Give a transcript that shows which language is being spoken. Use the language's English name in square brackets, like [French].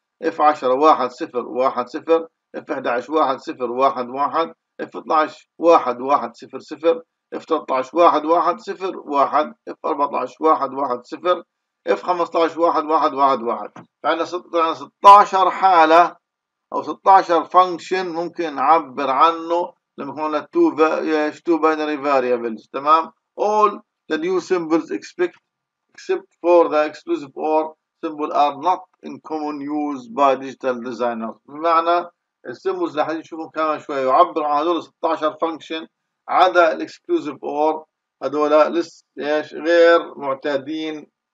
[Arabic] F 10 1 0 1 0، F 11 1 0 1 1، F 12 1 1 0 0، F 13 1 1 0 1، F 14 1 1 0، F 15 1 1 1 1، فعندنا 16 حالة او 16 فانكشن ممكن نعبر عنه لما يكون التو تو باينري فاريبلز، تمام؟ [English] all the new symbols expect except for the exclusive or symbols are not in common use by digital designers. [Arabic] بمعنى السيمبلز اللي حنجي نشوفهم كمان شوية يعبر عن هذول 16 function عدا الاكسكلوزيف اور، هذول لسه ايش غير معتادين